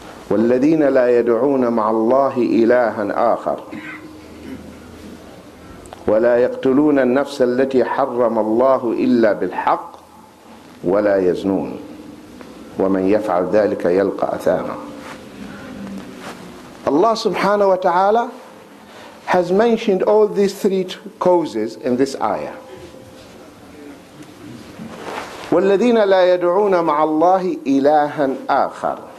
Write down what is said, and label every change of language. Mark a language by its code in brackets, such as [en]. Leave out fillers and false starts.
[ar] والذين لا يدعون مع الله إلها آخر ولا يقتلون النفس التي حرم الله إلا بالحق ولا يزنون ومن يفعل ذلك يلقى أثاما. [en] Allah subhanahu wa ta'ala has mentioned all these three causes in this ayah. [ar] والذين لا يدعون مع الله إلها آخر.